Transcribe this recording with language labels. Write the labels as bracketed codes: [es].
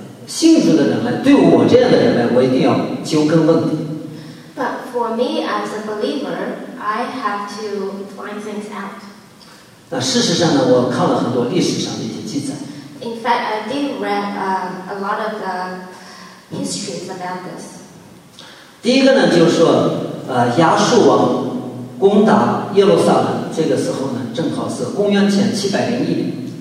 [zh] 信主的人来，对我这样的人来，我一定要纠根问底。 [en] But for me as a believer, I have to find things out. [zh] 那事实上呢，我看了很多历史上的一些记载。 [en] In fact, I did read a lot of the histories about this. [zh] 第一个呢，就是说，亚述王攻打耶路撒冷，这个时候呢，正好是公元前701年。